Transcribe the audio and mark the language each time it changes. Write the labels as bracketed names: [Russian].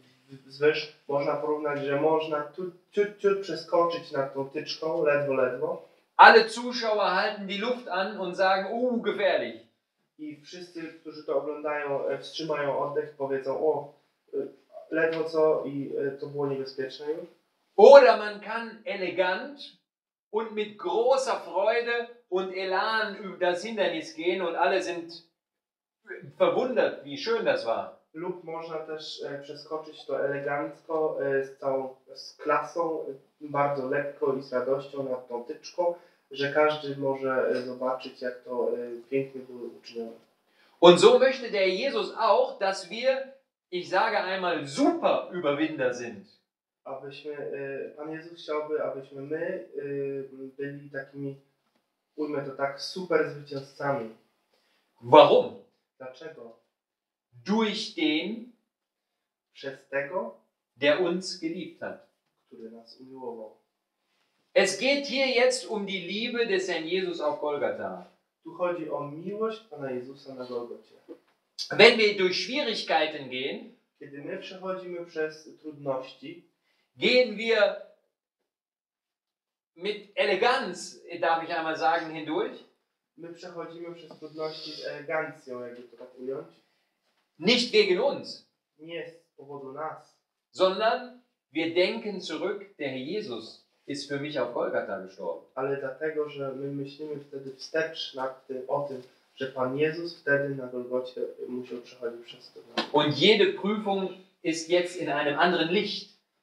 [Polish] Wiesz, można porównać, że można ciut przeskoczyć nad tą tyczką, ledwo. [German] Alle Zuschauer halten die Luft an und sagen, gefährlich. [Polish] I wszyscy, którzy to oglądają, wstrzymają oddech, powiedzą, ledwo co i to było niebezpieczne. [German] Oder man kann elegant und mit großer Freude und Elan über das Hindernis gehen und alle sind verwundert, wie schön das war. [Polish] Lub można też przeskoczyć to elegancko, z całą z klasą, bardzo lekko i z radością nad tą tyczką, że każdy może zobaczyć, jak to pięknie było uczynione. [German] Und so möchte der Jesus auch, dass wir, ich sage einmal, super Überwinder sind. [Polish] Abyśmy, Pan Jezus chciałby, abyśmy my byli takimi, ujmę to tak, super zwycięzcami. [German] Warum? [Polish] Dlaczego? [German] Durch den, [Polish] przez tego, [German] der uns geliebt hat, [Polish] który nas umiłował. [German] Es geht hier jetzt um die Liebe des Herrn Jesus auf Golgatha. [Polish] Tu chodzi o miłość Pana Jezusa na Golgocie. [German] Wenn wir durch Schwierigkeiten gehen, [Polish] kiedy my przechodzimy przez trudności, [German] gehen wir mit Eleganz, darf ich einmal sagen, hindurch. [Polish] My przechodzimy przez trudności z elegancją, jakby to tak ująć. [German] Nicht wegen uns. [Polish] Nie z powodu nas. [German] Sondern wir denken zurück, der Herr Jesus ist für mich auf Golgatha gestorben. [Polish] Ale dlatego, że my myślimy wtedy wstecz nad tym, o tym, że Pan Jezus wtedy na Golgocie musiał przechodzić przez trudności. [German] Und jede Prüfung ist jetzt in einem anderen Licht.